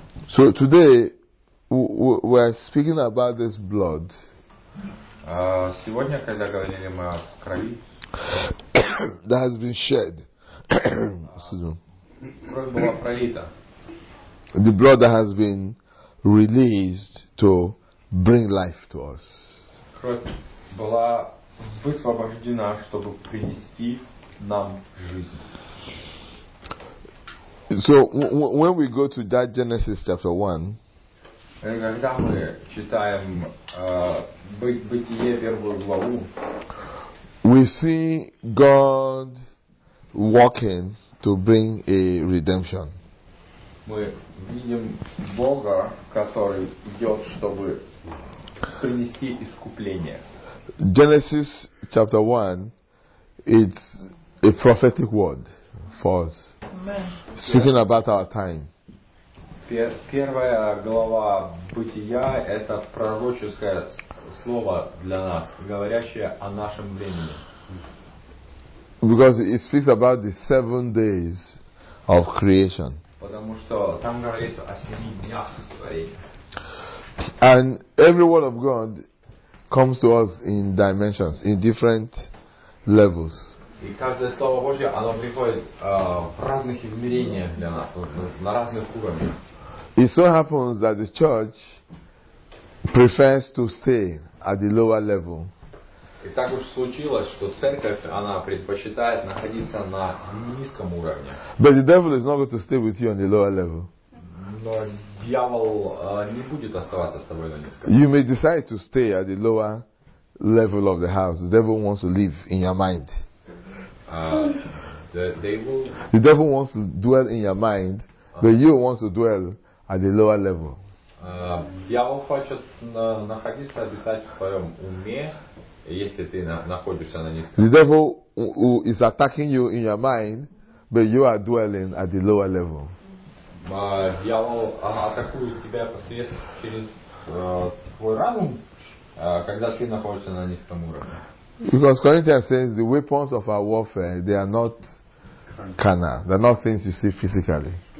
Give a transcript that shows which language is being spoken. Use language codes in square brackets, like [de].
[en] So today we are speaking about this blood. [ru] Сегодня, когда говорили мы о крови, [en] that has been shed. [ru] Кровь была пролита. [en] The blood that has been released to bring life to us. [ru] Кровь была высвобождена, чтобы принести нам жизнь. [en] So when we go to that Genesis chapter 1, [ru] когда мы читаем Бытие первую главу, [en] we see God working to bring a redemption. [ru] Мы видим Бога, который идет, чтобы принести искупление. [en] Genesis chapter 1, it's a prophetic word for us. Amen. Speaking about our time. [ru] Первая глава Бытия — это пророческое слово для нас, говорящее о нашем времени. [en] Because it speaks about the 7 days of creation. [ru] Потому что там говорится о 7 днях творения. [en] And every word of God comes to us in dimensions, in different levels. [ru] И каждое слово Божье, оно приходит в разных измерениях для нас, на разных уровнях. [en] It so happens that the church prefers to stay at the lower level. [ru] И так уж случилось, что церковь, она предпочитает находиться на низком уровне. [en] But the devil is not going to stay with you on the lower level. [ru] Но дьявол не будет оставаться с тобой на низком. [en] You may decide to stay at the lower level of the house. The devil wants to live in your mind. The devil wants to dwell in your mind, but you want to dwell at the lower level. [ru] Дьявол хочет находиться, обитать в твоем уме, если ты находишься на низком. [en] The devil is attacking you in your mind, but you are dwelling at the lower level. [ru] Дьявол атакует тебя посредством через твой разум, когда ты находишься на низком уровне. [en] Because Corinthians says the weapons of our warfare they are not carnal, they are not things you see physically.